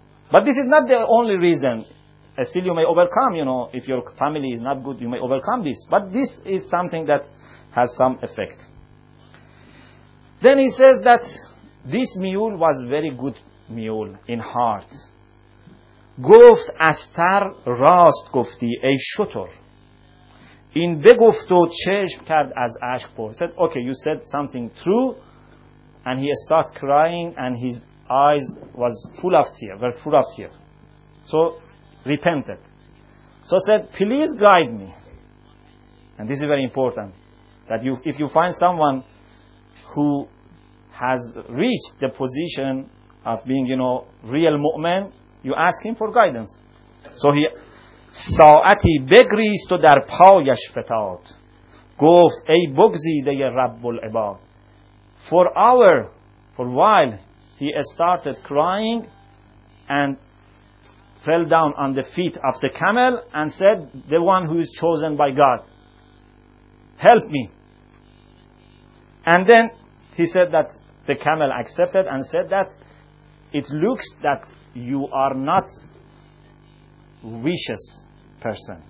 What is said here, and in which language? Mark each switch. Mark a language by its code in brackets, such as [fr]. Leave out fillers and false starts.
[en] But this is not the only reason. Still, you may overcome, you know, if your family is not good, you may overcome this. But this is something that has some effect. Then he says that this mule was very good mule in heart. [fa] گفت استر راست گفتی ای شتر. این بگفت و چشم کرد از عشق پر. [en] Said, okay, you said something true, and he started crying, and his eyes was full of tears, were full of tears. So repented. So said, please guide me. And this is very important, that you, if you find someone who has reached the position of being, you know, real mu'min, you ask him for guidance. So he [fa] ساعتی بگریست و در پایش فتاد گفت ای بگزیده رب العباد. [en] For hour, for while, he started crying and fell down on the feet of the camel and said, the one who is chosen by God, help me. And then he said that the camel accepted and said that it looks that you are not vicious person.